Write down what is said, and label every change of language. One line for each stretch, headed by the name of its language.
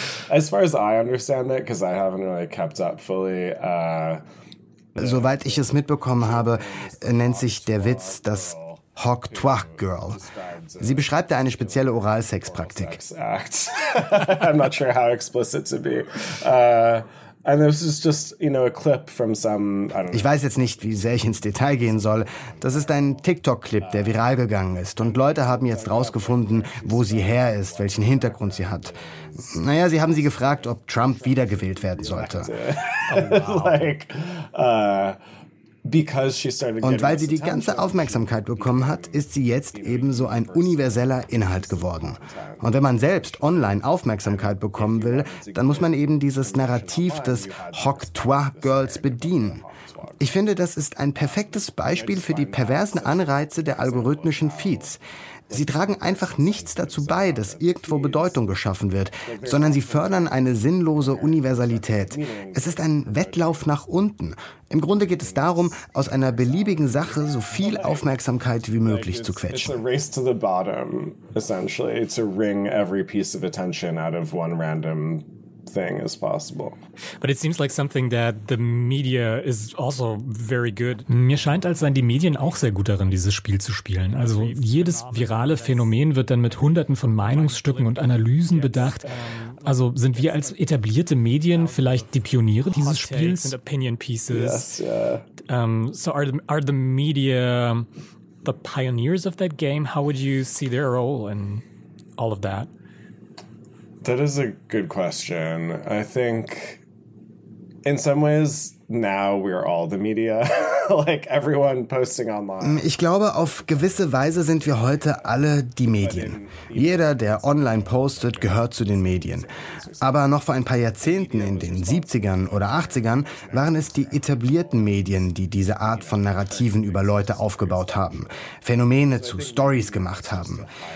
English: as far as I understand it, because I haven't really kept up fully.
German: Soweit ich es mitbekommen habe, nennt sich der Witz das Hock Twach Girl. Sie beschreibt da eine spezielle Oralsex-Praktik.
English: I'm not sure how explicit to be. And this is just, you know, a clip from some, I don't know.
German: Ich weiß jetzt nicht, wie sehr ich ins Detail gehen soll. Das ist ein TikTok-Clip, der viral gegangen ist. Und Leute haben jetzt rausgefunden, wo sie her ist, welchen Hintergrund sie hat. Naja, sie haben sie gefragt, ob Trump wiedergewählt werden sollte.
English: Oh, wow. Because she started
German: Und weil sie die ganze Aufmerksamkeit bekommen hat, ist sie jetzt eben so ein universeller Inhalt geworden. Und wenn man selbst online Aufmerksamkeit bekommen will, dann muss man eben dieses Narrativ des Hock-Twa-Girls bedienen. Ich finde, das ist ein perfektes Beispiel für die perversen Anreize der algorithmischen Feeds. Sie tragen einfach nichts dazu bei, dass irgendwo Bedeutung geschaffen wird, sondern sie fördern eine sinnlose Universalität. Es ist ein Wettlauf nach unten. Im Grunde geht es darum, aus einer beliebigen Sache so viel Aufmerksamkeit wie möglich zu quetschen.
English: It's a race to the bottom, essentially, to wring every piece of attention out of one random thing as possible. But it seems like something that the media is also very good.
German: Mir scheint, als seien die Medien auch sehr gut darin, dieses Spiel zu spielen. Also jedes virale Phänomen wird dann mit hunderten von Meinungsstücken und Analysen bedacht. Also sind wir als etablierte Medien vielleicht die Pioniere dieses Spiels?
English: Hot takes and opinion pieces. Yes, yeah. So are the media the pioneers of that game? How would you see their role in all of that? That is a good question. I think in some ways now we're all the media, like everyone posting online.
German: Ich glaube, auf gewisse Weise sind wir heute alle die Medien. Jeder, der online postet, gehört zu den Medien. Aber noch vor ein paar Jahrzehnten, in den 70ern oder 80ern, waren es die etablierten Medien, die diese Art von Narrativen über Leute aufgebaut haben, Phänomene zu Stories gemacht haben.